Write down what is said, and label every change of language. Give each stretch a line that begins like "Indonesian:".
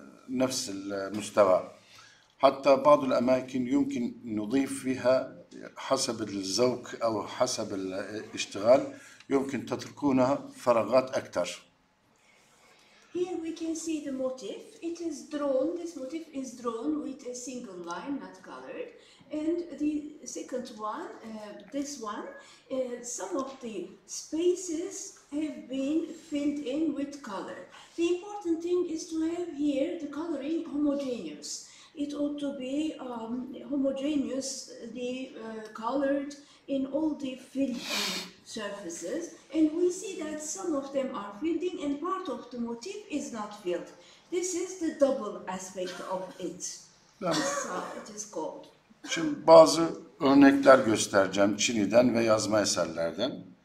Arabic: نفس المستوى حتى بعض الأماكن يمكن نضيف فيها حسب الزوق أو حسب الاشتغال يمكن تتركونها فراغات أكثر.
English: Here we can see the motif. It is drawn. This motif is drawn with a single line, not colored. And the second one, this one, some of the spaces have been filled in with color. The important thing is to have here the coloring homogeneous. It ought to be homogeneous, the colored in all the filled-in surfaces. And we see that some of them are filled in and part of the motif is not filled. This is the double aspect of it. So it is called.
Turkish: Şimdi bazı örnekler göstereceğim Çin'den ve yazma eserlerden.